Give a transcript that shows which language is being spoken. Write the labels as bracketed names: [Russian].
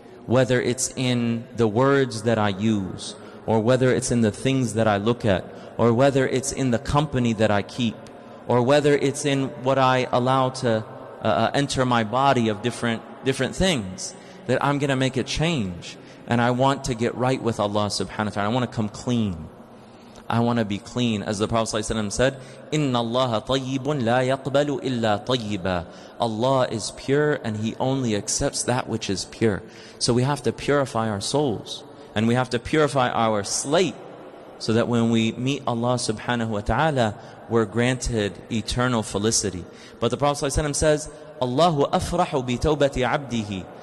[English] Whether it's in the words that I use, or whether it's in the things that I look at, or whether it's in the company that I keep, or whether it's in what I allow to enter my body of different things, that I'm going to make a change, and I want to get right with Allah subhanahu wa ta'ala. I want to come clean. I want to be clean. [Arabic] As the Prophet ﷺ said, إِنَّ اللَّهَ طَيِّبٌ لَا يَقْبَلُ إِلَّا طَيِّبًا. [English] Allah is pure, and He only accepts that which is pure. So we have to purify our souls, and we have to purify our slate, so that when we meet Allah subhanahu wa ta'ala, we're granted eternal felicity. But the Prophet ﷺ says, [Arabic] Allahu afrahu bi tawbati abdihi.